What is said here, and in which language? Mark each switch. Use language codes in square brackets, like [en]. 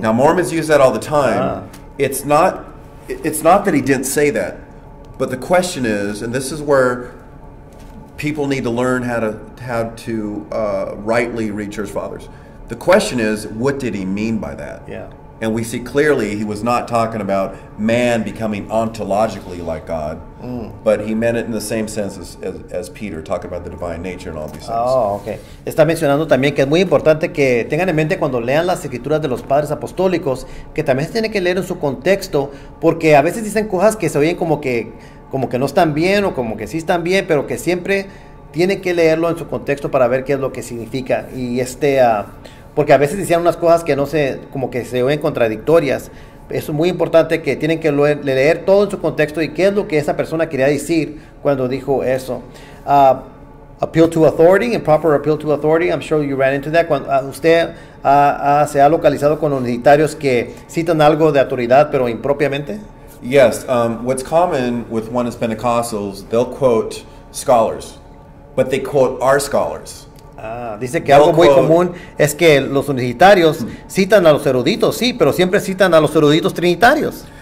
[en] Now, Mormons use that all the time. Ah. It's not that he didn't say that, but the question is, and this is where people need to learn how to rightly read church fathers. The question is, what did he mean by that? Yeah. And we see clearly he was not talking about man becoming ontologically like God, but he meant it in the same sense as Peter, talking about the divine nature and all these things. Oh, okay. [es] Está mencionando también que es muy importante que tengan en mente cuando lean las escrituras de los padres apostólicos, que también se tiene que leer en su contexto, porque a veces dicen cosas que se oyen como que no están bien o como que sí están bien, pero que siempre tiene que leerlo en su contexto para ver qué es lo que significa. Y porque a veces decían unas cosas que no sé, como que se ven contradictorias. Es muy importante que tienen que leer todo en su contexto y qué es lo que esa persona quería decir cuando dijo eso. [en] Appeal to authority, improper appeal to authority. I'm sure you ran into that. [es] Cuando se ha localizado con unitarios que citan algo de autoridad, pero impropiamente. [en] Yes, what's common with Oneness Pentecostals, they'll quote scholars, but they quote our scholars. [es] Dice que algo muy común es que los unitarios citan a los eruditos, sí, pero siempre citan a los eruditos trinitarios.